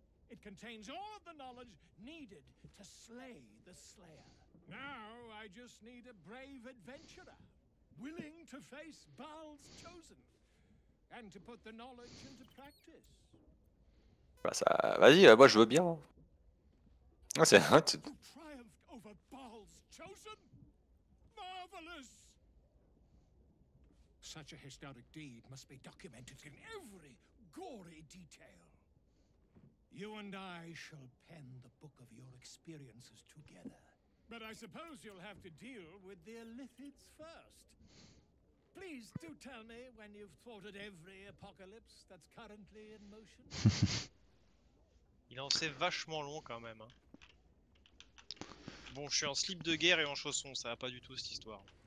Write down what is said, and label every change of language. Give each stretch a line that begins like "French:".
English: It contains all of the knowledge needed to slay the Slayer. Now I just need a brave adventurer, willing to face Baal's chosen, and to put the knowledge into practice.
French: Bah ça, vas-y, moi je veux bien. Ah, c'est un truc.
English: You triumphed over Baal's chosen? Marvelous! Such a historic deed must be documented in every gory detail. You and I shall pen the book of your experiences together. But I suppose you'll have to deal with the Illithids first. Please do tell me when you've thwarted every apocalypse that's currently in motion.
French: Il en sait vachement long quand même. Hein. Bon, je suis en slip de guerre et en chaussons, ça va pas du tout cette histoire.